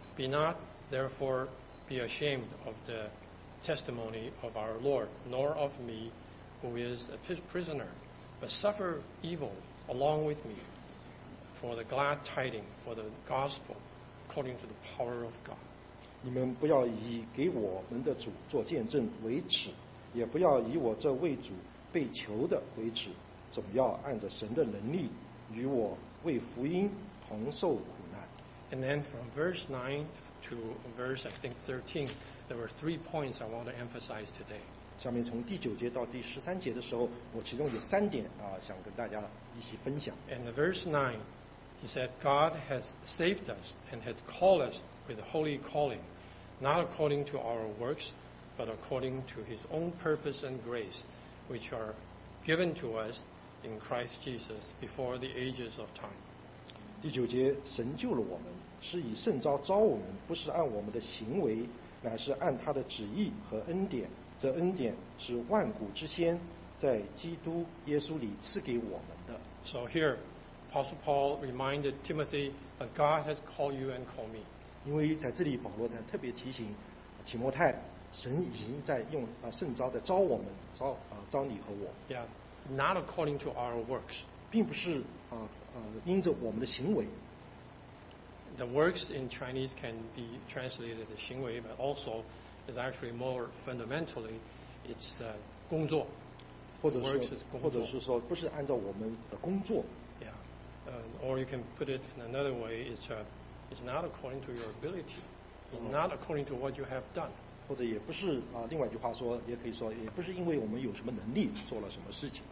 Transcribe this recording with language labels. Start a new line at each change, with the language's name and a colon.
English: Be not therefore be ashamed of the testimony of our Lord, nor of me, who is a prisoner, but suffer evil along with me. For the glad tidings, for the gospel, according to the power of God.
Chinese: 你们不要以给我们的主做见证为耻，也不要以我这为主被囚的为耻，总要按着神的能力与我为福音同受苦难。
English: And then from verse 9 to verse, I think 13, there were three points I want to emphasize today.
Chinese: 下面从第九节到第十三节的时候，我其中有三点啊，想跟大家一起分享。
English: In verse 9, he said, God has saved us and has called us with a holy calling, not according to our works, but according to his own purpose and grace, which are given to us in Christ Jesus before the ages of time.
Chinese: 第九节，神救了我们，是以圣召召我们，不是按我们的行为，乃是按他的旨意和恩典。这恩典是万古之先，在基督耶稣里赐给我们的。
English: So here, Apostle Paul reminded Timothy that God has called you and called me.
Chinese: 因为在这里，保罗在特别提醒提摩太，神已经在用圣召在召我们，召你和我。
English: Yeah, not according to our works.
Chinese: 并不是因着我们的行为。
English: The works in Chinese can be translated as 行为 but also is actually more fundamentally it's 工作
Chinese: 或者是说不是按照我们的工作 yeah.
English: Or you can put it in another way it's not according to your ability not according to what you have done
Chinese: 或者也不是另外一句话说也可以说也不是因为我们有什么能力做了什么事情